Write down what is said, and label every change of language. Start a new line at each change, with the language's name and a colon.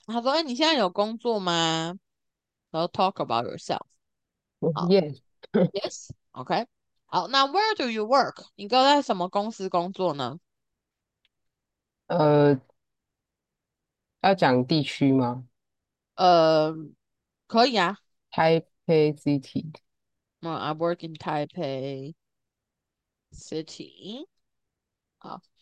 Chinese: 他说：“哎，你现在有工作吗？” 然后 talk about yourself。
English: Yes. Yes，OK。
Chinese: 好，那
English: Where do you work？
Chinese: 你哥在什么公司工作呢？要讲地区吗？可以啊。台北 City。
English: I work in Taipei City。 好。